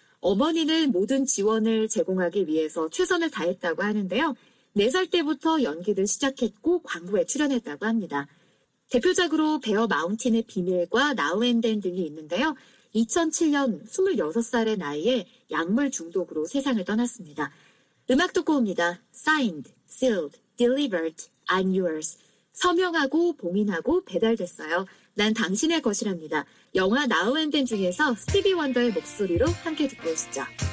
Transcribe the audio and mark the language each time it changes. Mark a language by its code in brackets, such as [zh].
[ko] 어머니는 모든 지원을 제공하기 위해서 최선을 다했다고 하는데요. 4살 때부터 연기를 시작했고 광고에 출연했다고 합니다. 대표작으로 베어 마운틴의 비밀과 나우앤덴 등이 있는데요. 2007년 26살의 나이에 약물 중독으로 세상을 떠났습니다. 음악 듣고 옵니다. [en] Signed, Sealed, Delivered, I'm Yours. [ko] 서명하고 봉인하고 배달됐어요. 난 당신의 것이랍니다. 영화 나우앤덴 중에서 스티비 원더의 목소리로 함께 듣고 오시죠.